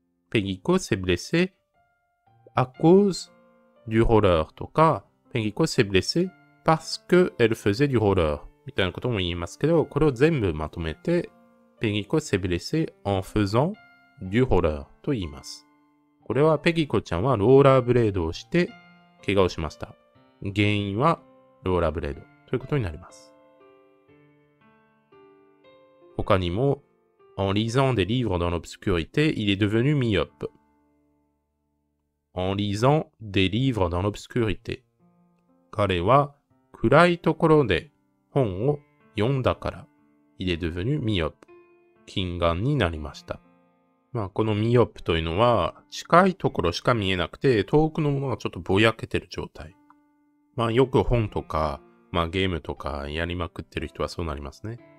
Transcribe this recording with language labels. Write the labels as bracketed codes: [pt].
[ja] ペギコセブレセ、 [fr] à cause du roller [ja] とか、ペギコ [fr] s'est blessé parce que elle faisait du roller [ja] みたいなことも言いますけど、これを全部まとめて、ペギコ [fr] s'est blessé en faisant du roller [ja] とと言います。これはペギコちゃんはローラーブレードをして怪我をしました。原因はローラーブレードということになります。 [fr] 他にも、En lisant des livres dans l'obscurité, il est devenu myope. En lisant des livres dans l'obscurité. [ja] 彼は暗いところで本を読んだから、 [fr] il est devenu myope. [ja] 近眼になりました。まあ、この myope というのは、近いところしか見えなくて、遠くのものがちょっとぼやけてる状態。まあ、よく本とか、まあ、ゲームとかやりまくってる人はそうなりますね。